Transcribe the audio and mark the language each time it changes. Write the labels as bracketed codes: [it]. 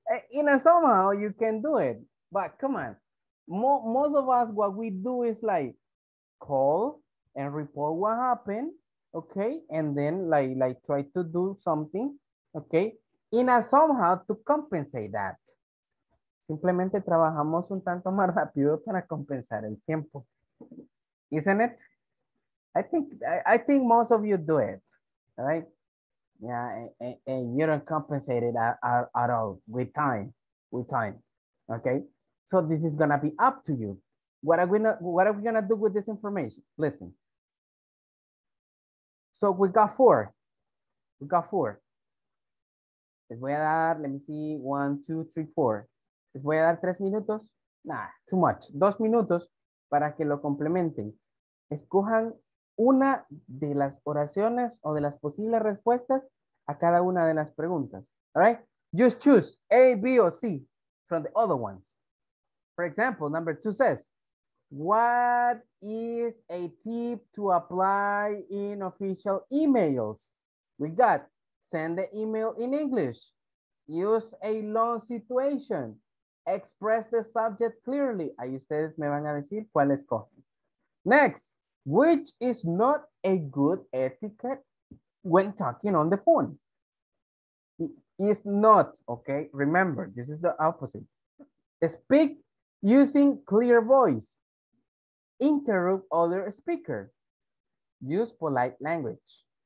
[en] In a somehow you can do it, but come on. Most of us, what we do is like call and report what happened, okay? And then like try to do something, okay? in a somehow to compensate that. [es] Simplemente trabajamos un tanto más rápido para compensar el tiempo. [en] Isn't it? I think most of you do it, right? Yeah, and you don't compensate it at all with time, okay? So this is gonna be up to you. What are we gonna do with this information? Listen. So we got four. [es] Les voy a dar, [en] let me see, [es] 1, 2, 3, 4. Les voy a dar 3 minutos. [en] Nah, too much. [es] 2 minutos para que lo complementen. Escojan una de las oraciones o de las posibles respuestas a cada una de las preguntas. [en] All right? Just choose A, B, or C from the other ones. For example, number 2 says, what is a tip to apply in official emails? We got send the email in English, use a long situation, express the subject clearly. [es] Ahí ustedes me van a decir cuál escogen. [en] Next, which is not a good etiquette when talking on the phone? It's not, okay? Remember, this is the opposite. Speak using clear voice. Interrupt other speaker. Use polite language.